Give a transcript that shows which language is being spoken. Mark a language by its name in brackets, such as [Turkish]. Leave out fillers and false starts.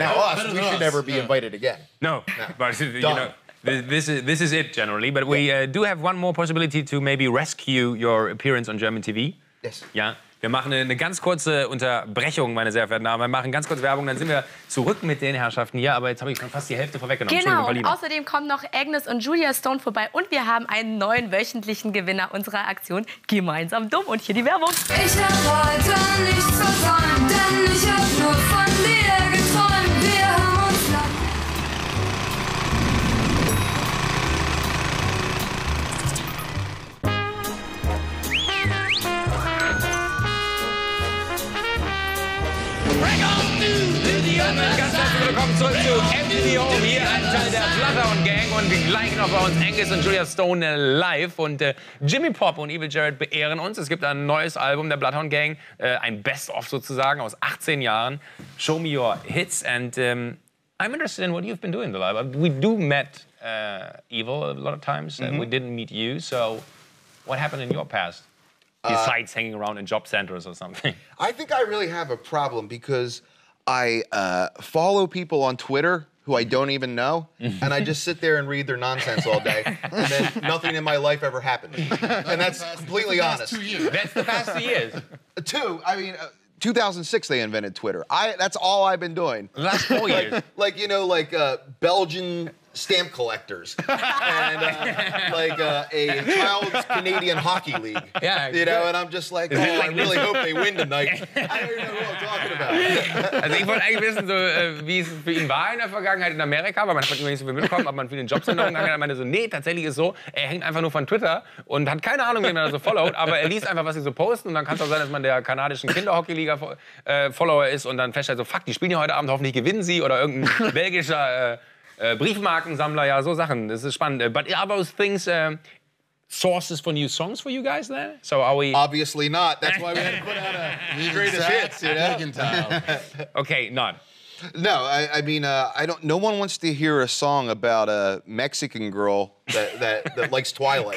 [English] Now us, we should never be invited again. No, but you know, this is it generally. But we do have one more possibility to maybe rescue your appearance on German TV. Yes. [German] Ja, wir machen eine ganz kurze Unterbrechung, meine sehr verehrten Damen. Wir machen ganz kurz Werbung, dann sind wir zurück mit den Herrschaften hier. Aber jetzt habe ich schon fast die Hälfte vorweggenommen. Genau, und außerdem kommen noch Agnes und Julia Stone vorbei. Und wir haben einen neuen wöchentlichen Gewinner unserer Aktion Gemeinsam Dumm. Und hier die Werbung. Ich hab heute nichts verfahren, denn ich hab nur von dir geträumt. Wir haben uns Willkommen zurück zu MTO, hier ein Teil der Flutter und Gang und gleich noch bei uns Angus und Julia Stone live und Jimmy Pop und Evil Jared beehren uns. Es gibt ein neues Album der Bloodhound Gang, ein Best-of sozusagen aus 18 Jahren. [English] Show me your hits and I'm interested in what you've been doing the live. We do met Evil a lot of times and we didn't meet you, so what happened in your past? Besides hanging around in job centers or something. I think I really have a problem because I follow people on Twitter who I don't even know, and I just sit there and read their nonsense all day, and then nothing in my life ever happened. And that's completely honest. That's the past 2 years. I mean, 2006 they invented Twitter. That's all I've been doing. Last 4 years. Like, you know, like Belgian stamp collectors, and a child's Canadian hockey league. Yeah, you know, good. And I'm just like, oh, I really hope they win tonight. I don't even know who I'm talking about. [German] Also, ich wollte eigentlich wissen, so, wie es für ihn war in der Vergangenheit in Amerika, weil man hat immer nicht so viel mitbekommen, ob man viele Jobs in Ordnung hat. Er meinte so, nee, tatsächlich ist so, er hängt einfach nur von Twitter und hat keine Ahnung, wen er so followt, aber er liest einfach, was sie so posten und dann kann es auch sein, dass man der kanadischen Kinderhockeyliga Follower ist und dann feststellt so, fuck, die spielen ja heute Abend, hoffentlich gewinnen sie oder irgendein belgischer Briefmarkensammler, ja, so Sachen. Das ist spannend. [English] But are those things sources for new songs for you guys then? So are we... Obviously not. That's why we had to put out a greatest hits, you know? Okay, not. No, no one wants to hear a song about a Mexican girl that likes Twilight.